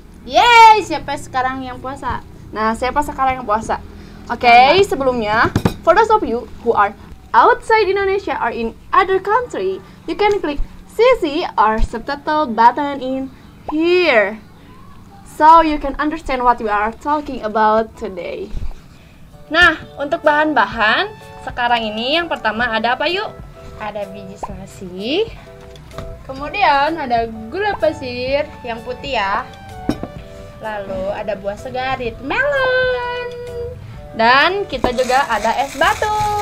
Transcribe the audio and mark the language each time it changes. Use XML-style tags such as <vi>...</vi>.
<id>Yeay, siapa sekarang yang puasa? Nah, siapa sekarang yang puasa?</id> <en>Okay,</en> <id>sebelumnya,</id> <en>for those of you who are outside Indonesia or in other country, you can click CC or subtitle button in here, so you can understand what we are talking about today.</en> <id>Nah, untuk bahan-bahan, sekarang ini yang pertama ada apa yuk? Ada biji selasi, kemudian ada gula pasir yang putih ya, lalu ada buah segar, melon, dan kita juga ada es batu.</id>